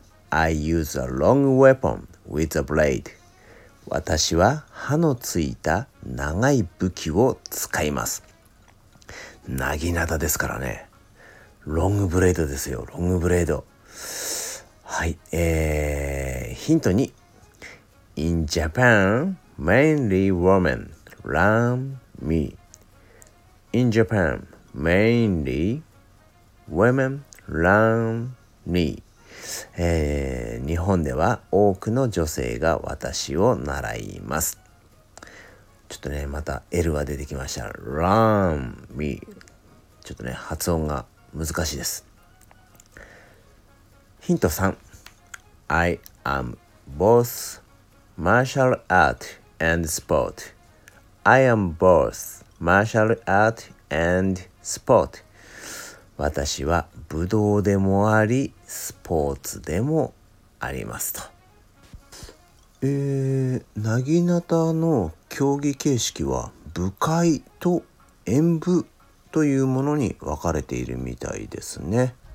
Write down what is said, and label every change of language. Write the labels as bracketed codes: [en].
[en] I use a long weapon with a blade. [ja] 私は刃のついた長い武器を使います。なぎなたですからね。ロングブレードですよ。ロングブレード。はい、ヒント2。 [en] In Japan, mainly women learn me. In Japan, mainly women learn me. [ja] 日本では多くの女性が私を習います。ちょっとね、また L が出てきました。 [en] Learn me。 [ja] ちょっとね、発音が難しいです。ヒント3。 [en] I am both martial art and sport. I am both martial art and sport. [ja] 私は武道でもあり、スポーツでもありますと。なぎなたの競技形式は武会と演武というものに分かれているみたいですね。